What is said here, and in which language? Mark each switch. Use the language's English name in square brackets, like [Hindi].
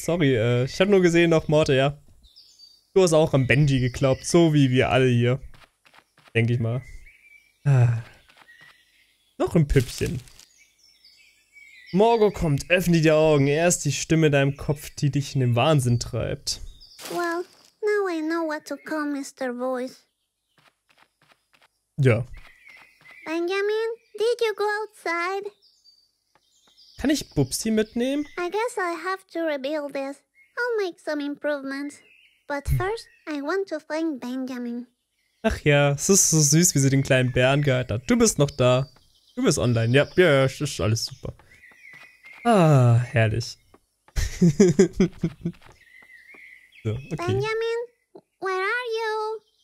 [German] Sorry, ich habe nur gesehen noch Morte, ja. Du hast auch an Benji geglaubt, so wie wir alle hier. Denke ich mal. Noch ein Püppchen. Morgo kommt, öffne die Augen. Er ist die Stimme in deinem Kopf, die dich in den Wahnsinn treibt. [English] Well, now I know what to call Mr. Voice. [German] Ja. [English] Benjamin, did you go outside? [German] Kann ich Bubsy mitnehmen? [English] I guess I have to rebuild this. I'll make some improvements. But first, I want to find Benjamin. [German] Ach ja, es ist so süß, wie sie den kleinen Bären gehalten hat. Du bist noch da. Du bist online. Ja, es ist alles super. Ah, herrlich. So, okay. [English] Benjamin, where are you?